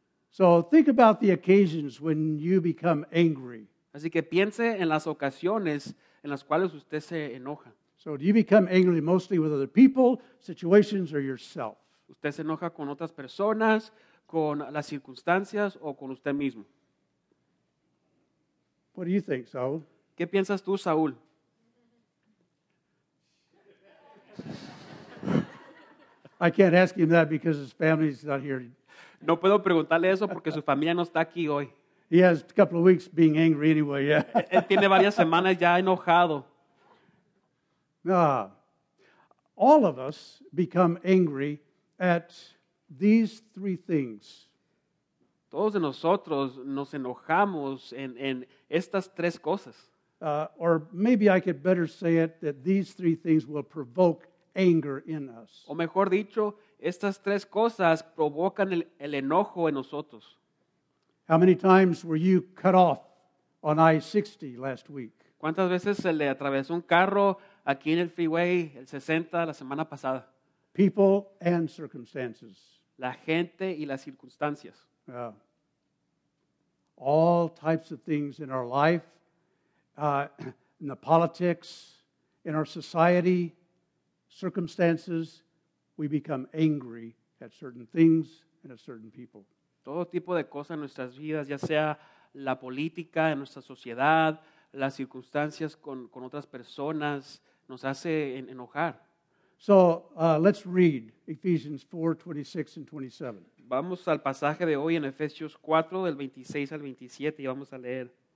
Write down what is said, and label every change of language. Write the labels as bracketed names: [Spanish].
[English] So think about the occasions when you become angry. [Spanish] Así que piense en las ocasiones en las cuales usted se enoja. [English] So do you become angry mostly with other people, situations, or yourself? [Spanish] ¿Usted se enoja con otras personas, con las circunstancias o con usted mismo? [English] What do you think, Saul? [Spanish] ¿Qué piensas tú, Saúl? [English] I can't ask him that because his family's not here. [Spanish] No puedo preguntarle eso porque su familia no está aquí hoy. [English] He has a couple of weeks being angry anyway, yeah. [Spanish] Él tiene varias semanas ya enojado. [English] All of us become angry at these three things. [Spanish] Todos de nosotros nos enojamos en estas tres cosas. [English] Or maybe I could better say it, that these three things will provoke anger in us. [Spanish] O mejor dicho, estas tres cosas provocan el enojo en nosotros. [English] How many times were you cut off on I-60 last week? [Spanish] ¿Cuántas veces se le atravesó un carro aquí en el freeway, el 60, la semana pasada? [English] People and circumstances. [Spanish] La gente y las circunstancias. [English] Yeah. All types of things in our life, in the politics, in our society, circumstances, we become angry at certain things and at certain people. [Spanish] Todo tipo de cosas en nuestras vidas, ya sea la política, en nuestra sociedad, las circunstancias con otras personas, nos hace enojar. [English] So, let's read Ephesians 4, 26 and 27. [Spanish] Vamos al pasaje de hoy en Efesios 4, del 26 al 27, y vamos a leer.